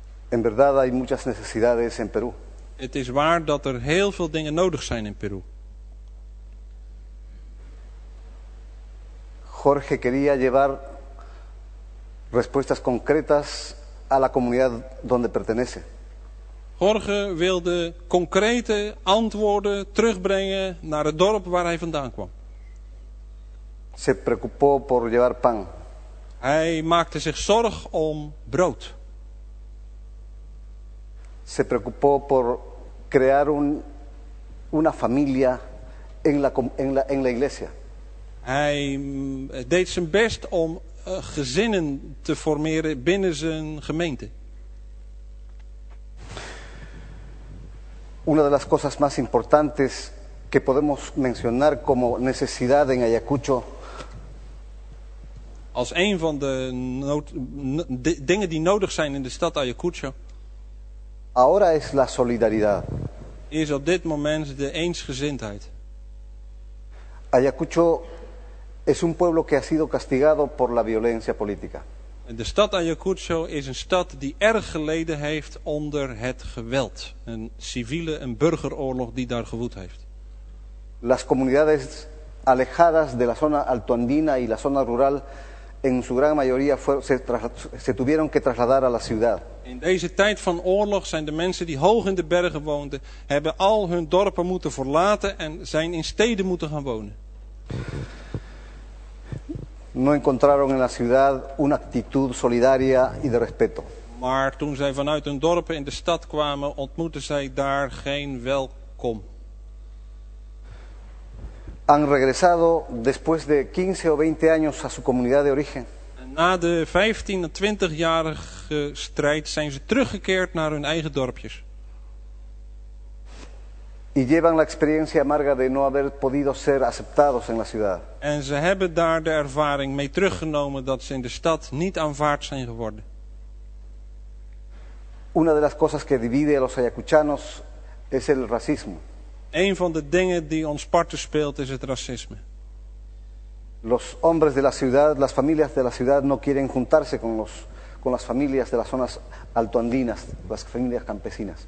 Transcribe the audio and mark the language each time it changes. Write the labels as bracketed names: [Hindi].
[Spanish] En verdad hay muchas necesidades en Perú. [Dutch] Het is waar dat er heel veel dingen nodig zijn in Peru. [Spanish] Jorge quería llevar respuestas concretas a la comunidad donde pertenece. [Dutch] Jorge wilde concrete antwoorden terugbrengen naar het dorp waar hij vandaan kwam. [Spanish] Se preocupó por llevar pan. [Dutch] Hij maakte zich zorg om brood. [Spanish] Se preocupó por crear una familia en la iglesia. [Dutch] Hij deed zijn best om gezinnen te formeren binnen zijn gemeente. [Spanish] Una de las cosas más importantes que podemos mencionar como necesidad en Ayacucho. [Dutch] Als een van de dingen die nodig zijn in de stad Ayacucho. [Spanish] Ahora es la solidaridad. [Dutch] Is op dit moment de eensgezindheid. [Spanish] Ayacucho es un pueblo que ha sido castigado por la violencia política. [Dutch] De stad Ayacucho is een stad die erg geleden heeft onder het geweld. Een burgeroorlog die daar gewoed heeft. [Spanish] Las comunidades alejadas de la zona altoandina y la zona rural en su gran mayoría se tuvieron que trasladar a la ciudad. [Dutch] In deze tijd van oorlog zijn de mensen die hoog in de bergen woonden, hebben al hun dorpen moeten verlaten en zijn in steden moeten gaan wonen. [Spanish] No encontraron en la ciudad una actitud solidaria y de respeto. [Dutch] Maar toen zij vanuit hun dorpen in de stad kwamen, ontmoetten zij daar geen welkom. [Spanish] Han regresado después de 15 o 20 años a su comunidad de origen. [Dutch] Na de 15 en 20-jarige strijd zijn ze teruggekeerd naar hun eigen dorpjes. [Spanish] Y llevan la experiencia amarga de no haber podido ser aceptados en la ciudad. [Dutch] En ze hebben daar de ervaring mee teruggenomen dat ze in de stad niet aanvaard zijn geworden. [Spanish] Una de las cosas que divide a los ayacuchanos es el racismo. [Dutch] Een van de dingen die ons parten speelt is het racisme. [Spanish] Los hombres de la ciudad, las familias de la ciudad no quieren juntarse con las familias de las zonas altoandinas, las familias campesinas.